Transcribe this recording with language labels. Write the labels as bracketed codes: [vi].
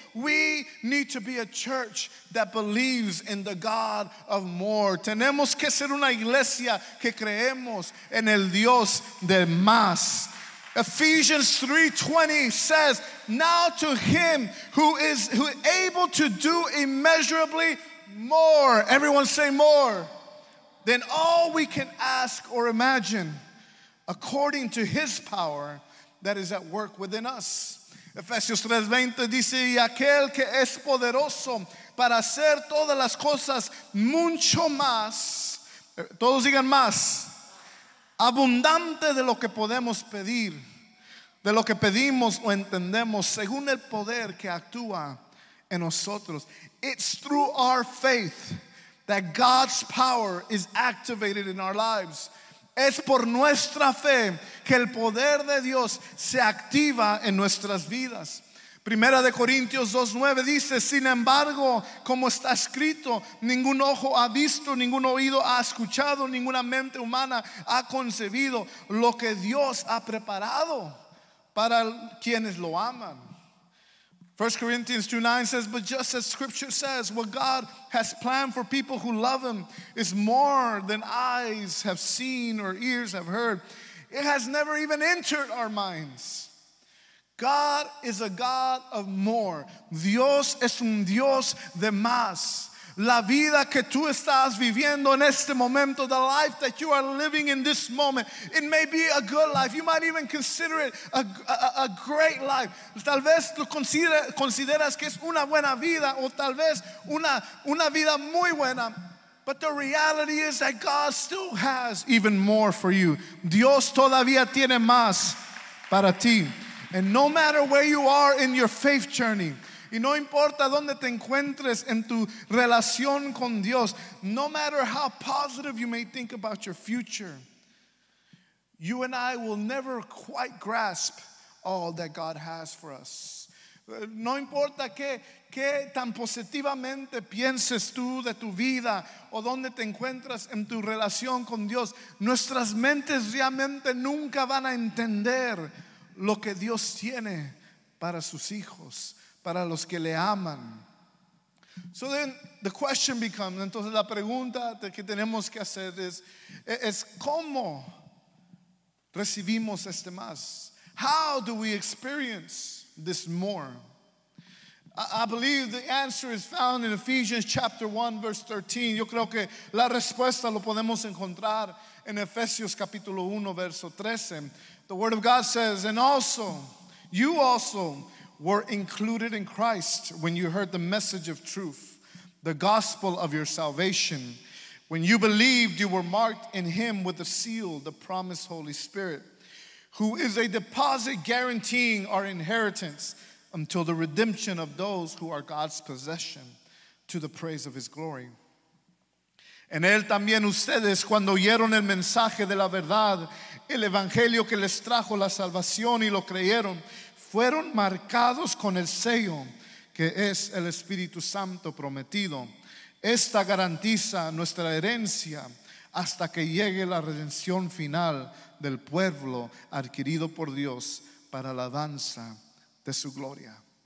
[en] We need to be a church that believes in the God of more. [es] Tenemos que ser una iglesia que creemos en el Dios de más. [en] Ephesians 3:20 says, now to him who is able to do immeasurably more, everyone say more, than all we can ask or imagine, according to his power that is at work within us. [es] Efesios 3:20 dice, y aquel que es poderoso para hacer todas las cosas mucho más, todos digan más, abundante de lo que podemos pedir, de lo que pedimos o entendemos, según el poder que actúa en nosotros. [en] It's through our faith that God's power is activated in our lives. [es] Es por nuestra fe que el poder de Dios se activa en nuestras vidas. Primera de Corintios 2:9 dice, sin embargo, como está escrito, ningún ojo ha visto, ningún oído ha escuchado, ninguna mente humana ha concebido lo que Dios ha preparado para quienes lo aman. [en] 1 Corinthians 2:9 says, but just as scripture says, what God has planned for people who love him is more than eyes have seen or ears have heard. It has never even entered our minds. God is a God of more. [es] Dios es un Dios de más. La vida que tú estás viviendo en este momento, [en] the life that you are living in this moment, it may be a good life. You might even consider it a great life. [es] Tal vez lo consideras que es una buena vida o tal vez una vida muy buena. [en] But the reality is that God still has even more for you. [es] Dios todavía tiene más para ti. [en] And no matter where you are in your faith journey, [es] y no importa dónde te encuentres en tu relación con Dios, [en] no matter how positive you may think about your future, you and I will never quite grasp all that God has for us. [es] No importa qué tan positivamente pienses tú de tu vida o dónde te encuentras en tu relación con Dios, nuestras mentes realmente nunca van a entender lo que Dios tiene para sus hijos, para los que le aman. [en] So then the question becomes, [es] entonces la pregunta que tenemos que hacer es ¿cómo recibimos este más? [en] How do we experience this more? I believe the answer is found in Ephesians chapter 1 verse 13. [es] Yo creo que la respuesta lo podemos encontrar en Efesios capítulo 1 verso 13. [en] The word of God says, "And also, you also were included in Christ when you heard the message of truth, the gospel of your salvation. When you believed, you were marked in him with the seal, the promised Holy Spirit, who is a deposit guaranteeing our inheritance until the redemption of those who are God's possession to the praise of his glory. [es] En él también ustedes, cuando oyeron el mensaje de la verdad, el evangelio que les trajo la salvación y lo creyeron, fueron marcados con el sello que es el Espíritu Santo prometido. Esta garantiza nuestra herencia hasta que llegue la redención final del pueblo adquirido por Dios para la alabanza de su gloria."